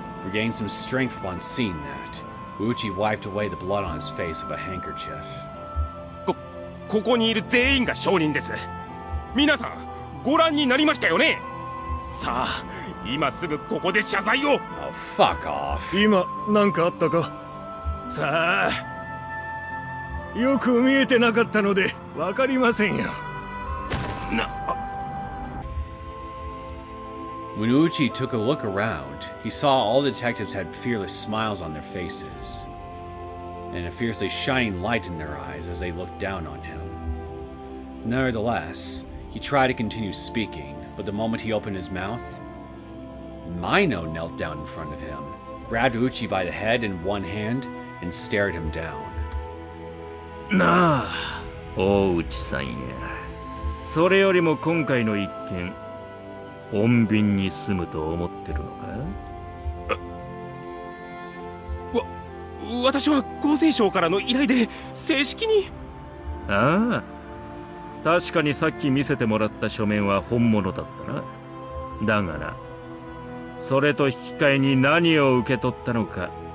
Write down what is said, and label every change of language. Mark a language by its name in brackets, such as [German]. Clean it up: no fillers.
[English] Regaining some strength upon seeing that, Uchi wiped away the blood on his face with a handkerchief. [Japanese] ここにいる全員が証人です。皆さん、ご覧になりましたよね。さあ。今すぐここで謝罪を。 [English] Oh, fuck off. [Japanese] 今何かあったか。さあ、よく見えてなかったのでわかりませんよ。な。 [English] When Uchi took a look around, he saw all detectives had fearless smiles on their faces, and a fiercely shining light in their eyes as they looked down on him. Nevertheless, he tried to continue speaking, but the moment he opened his mouth, Mino knelt down in front of him, grabbed Uchi by the head in one hand, and stared him down. [Japanese] なあ、大内さんや。それよりも今回の一件、穏便に済むと思ってるのか？わ、私は厚生省からの依頼で正式に。ああ、確かにさっき見せてもらった書面は本物だったな。だがな、それと引き換えに何を受け取ったのか。